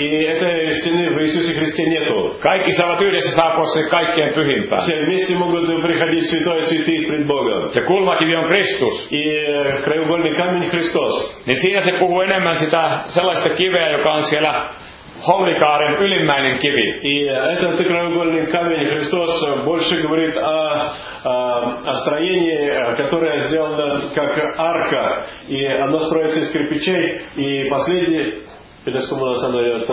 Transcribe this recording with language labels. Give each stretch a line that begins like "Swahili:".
Russian: И этой стены в Иисусе Христе нету.
Finnish: Kaikki saavat yhdessä saapua sen kaikkien pyhimpään.
Russian: Все вместе могут приходить святой святых пред Богом.
Finnish: Ja kulmakivi on Kristus.
Russian: И краеугольный камень Христос.
Finnish: Niin siinä se puhuu enemmän sitä sellaista kiveä, joka on siellä Hollikaaren ylimmäinen kivi.
Russian: И этот краеугольный камень Христос больше говорит о строении, которое сделано как арка, и оно строится из кирпичей, и последний, пытаюсь кому-то сказать,